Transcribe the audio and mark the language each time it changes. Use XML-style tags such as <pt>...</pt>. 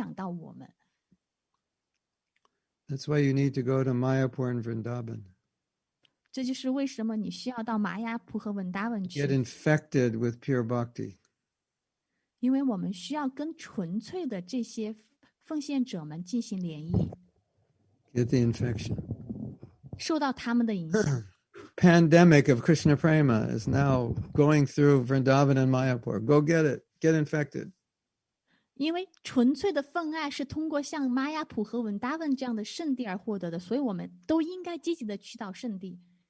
<zh>但是如果你跟非常依附于感官享乐的这些人联谊的话，那这样的人他们就会影响到我们。</zh> <en>That's why you need to go to Mayapur and Vrindavan.</en> <zh>这就是为什么你需要到玛雅普和文达文去。</zh> <en>Get infected with pure bhakti.</en> <zh>因为我们需要跟纯粹的这些奉献者们进行联谊。</zh> <en>Get the infection.</en> <zh>受到他们的影响。</zh> <en>Pandemic of Krishna Prema is now going through Vrindavan and Mayapur. Go get it. Get infected.</en> <zh>因为纯粹的奉爱是通过像玛雅普和文达文这样的圣地而获得的，所以我们都应该积极的去到圣地。</zh>